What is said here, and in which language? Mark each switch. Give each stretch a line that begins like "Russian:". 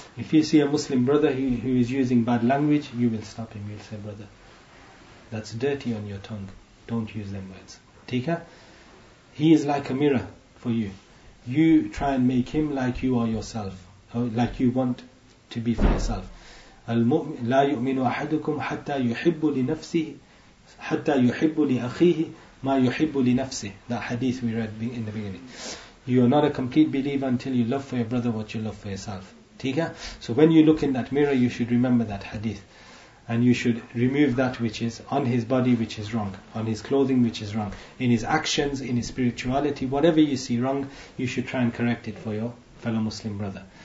English: If you see a Muslim brother who is using bad language, you will stop him. You'll say, brother, that's dirty on your tongue. Don't use them words. Tika? He is like a mirror for you. You try and make him like you are yourself, or like you want to be for yourself.
Arabic: المؤمن لا يؤمن أحدكم حتى يحب لنفسه حتى يحب لأخيه ما يحب لنفسه.
English: That hadith we read in the beginning. You are not a complete believer until you love for your brother what you love for yourself. Tika? So when you look in that mirror, you should remember that hadith, and you should remove that which is on his body, which is wrong, on his clothing, which is wrong, in his actions, in his spirituality, whatever you see wrong, you should try and correct it for your fellow Muslim brother.